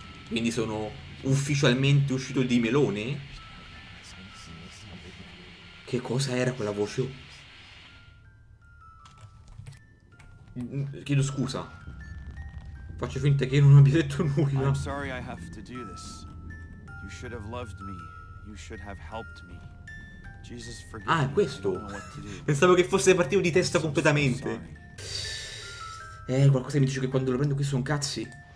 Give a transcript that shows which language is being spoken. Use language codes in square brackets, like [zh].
[it] Quindi sono ufficialmente uscito di melone? Che cosa era quella voce? Chiedo scusa. Faccio finta che non abbia detto nulla. [en] I'm sorry I have to do this. You should have loved me. You should have helped me. Jesus, forgive me. [it] Ah, è questo. Pensavo che fosse partito di testa completamente. Qualcosa mi dice che quando lo prendo qui sono cazzi.